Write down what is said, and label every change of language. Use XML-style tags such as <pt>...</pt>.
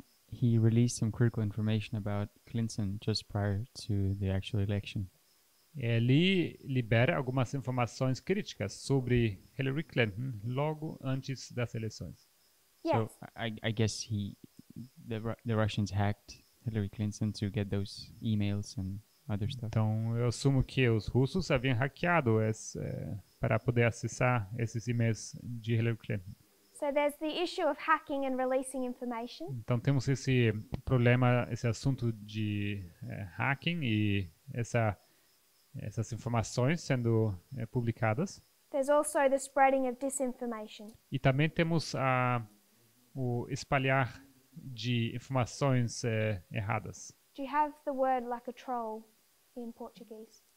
<en>He released some critical information about Clinton just prior to the actual election.</en> <pt>Ele libera algumas informações críticas sobre Hillary Clinton logo antes das eleições.</pt> <en>Yes. So I guess the Russians hacked Hillary Clinton to get those emails and other stuff.</en> <pt>Então eu assumo que os russos haviam hackeado para poder acessar esses e-mails de Hillary Clinton.</pt> <en>So there's the issue of hacking and releasing information.</en> <pt>Então temos esse problema, esse assunto de hacking e essas informações sendo publicadas.</pt> <en>There's also the spreading of disinformation.</en> <pt>E também temos o espalhar de informações erradas.</pt> <en>Do you have the word like a troll in Portuguese?</en>